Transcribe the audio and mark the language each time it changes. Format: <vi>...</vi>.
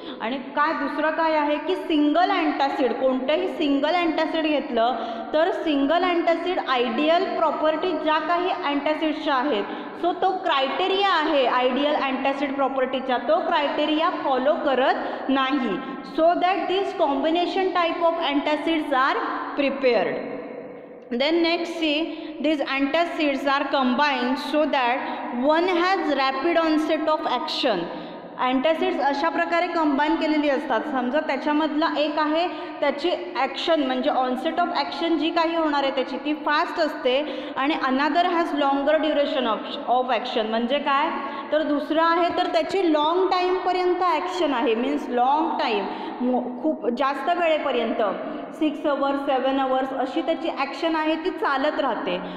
<mr>आणि काय दुसरं काय आहे? की सिंगल अँटॅसिड, कोणतंही सिंगल अँटॅसिड घेतलं तर सिंगल अँटॅसिड आयडियल प्रॉपर्टी ज्या काही अँटॅसिड्सच्या आहेत, सो तो क्रायटेरिया आहे आयडियल अँटॅसिड प्रॉपर्टीचा, तो क्रायटेरिया फॉलो करत नाही.</mr> <en>So that this combination type of antacids are prepared. Then next, see, these antacids are combined so that one has rapid onset of action.</en> <mr>अँटॅसिड्स अशा प्रकारे कंबाईन केलेली असतात. समजा त्याच्यामधला एक आहे त्याची ॲक्शन म्हणजे ऑनसेट ऑफ ॲक्शन जी काही होणार आहे त्याची ती फास्ट असते आणि</mr> <en>another has longer duration of action</en> <mr>म्हणजे काय तर दुसरं आहे तर त्याची लॉंग टाईमपर्यंत ॲक्शन आहे मीन्स लॉंग टाईम खूप जास्त वेळेपर्यंत</mr> <en>6 hours, 7 hours</en> <mr>अशी त्याची ॲक्शन आहे ती चालत राहते.</mr>